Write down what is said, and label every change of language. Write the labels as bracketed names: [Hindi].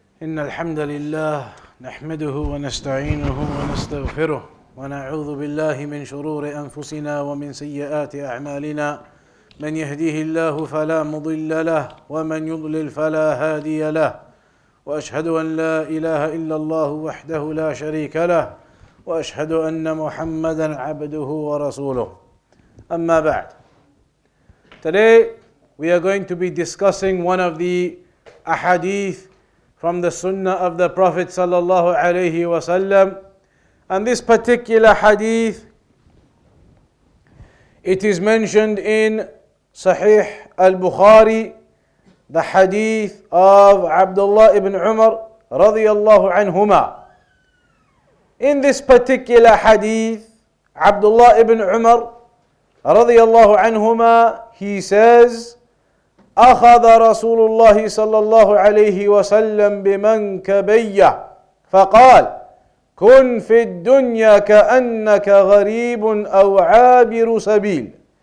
[Arabic] إن الحمد لله نحمده ونستعينه ونستغفره ونعوذ بالله من شرور أنفسنا ومن سيئات أعمالنا من يهديه الله فلا مضل له ومن يضلل فلا هادي له وأشهد أن لا إله إلا الله وحده لا شريك له وأشهد أن محمدا عبده ورسوله أما بعد. [English] Today we are going to be discussing one of the ahadith from the Sunnah of the Prophet sallallahu alayhi wa sallam. And this particular hadith, it is mentioned in Sahih al-Bukhari, the hadith of Abdullah ibn Umar radiyallahu anhuma. In this particular hadith, Abdullah ibn Umar radiyallahu anhuma, he says, [Arabic] أخذ رسول الله صلى الله عليه وسلم بمنكبي فقال كن في الدنيا كأنك غريب أو عابر سبيل.